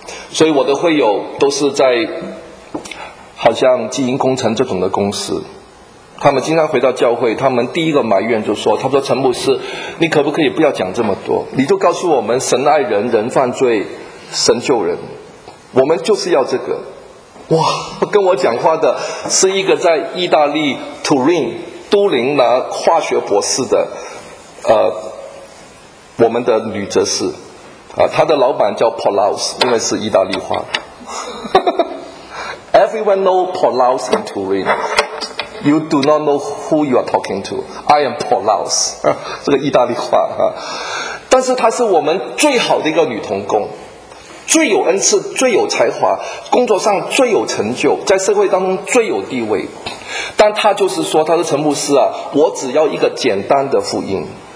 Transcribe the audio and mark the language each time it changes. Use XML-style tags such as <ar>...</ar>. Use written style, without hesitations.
<zh>所以我的会友都是在好像基因工程这种的公司，他们经常回到教会，他们第一个埋怨就说，他说陈牧师你可不可以不要讲这么多，你就告诉我们神爱人，人犯罪神救人，我们就是要这个。哇，跟我讲话的是一个在意大利图林都灵拿化学博士的我们的女哲士啊，她的老板叫 Paulus， 因为是意大利话。</zh> <en>Everyone know Paulus in Turin. You do not know who you are talking to. I am Paulus.</en> <zh>这个意大利话啊，但是她是我们最好的一个女同工，最有恩赐，最有才华，工作上最有成就，在社会当中最有地位。但她就是说，她说陈牧师啊，我只要一个简单的福音。</zh>